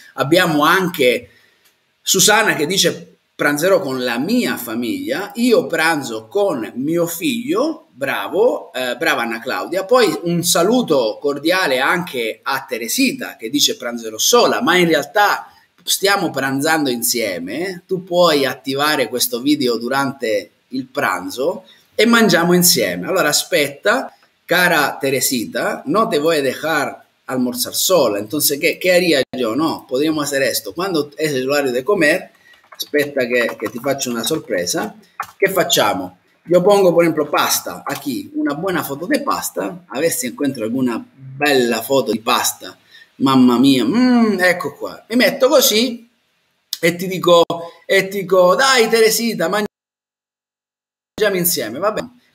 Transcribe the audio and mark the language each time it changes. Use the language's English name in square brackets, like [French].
[Italian] Abbiamo anche Susanna che dice: pranzerò con la mia famiglia, io pranzo con mio figlio, bravo, brava Anna Claudia. Poi un saluto cordiale anche a Teresita che dice pranzerò sola, ma in realtà stiamo pranzando insieme. Tu puoi attivare questo video durante il pranzo e mangiamo insieme. Allora aspetta, cara [Spanish] Teresita, no te voy a dejar almorzar sola, entonces qué haría yo, no? Podríamos hacer esto, cuando es el horario de comer. [Italian] Aspetta che ti faccio una sorpresa. Che facciamo? Io pongo, per esempio, pasta. A chi? Una buona foto di pasta. Avessi incontro alguna bella foto di pasta. Mamma mia. Ecco qua. Mi metto così e ti dico, dai Teresita, mangiamo insieme. Va bene.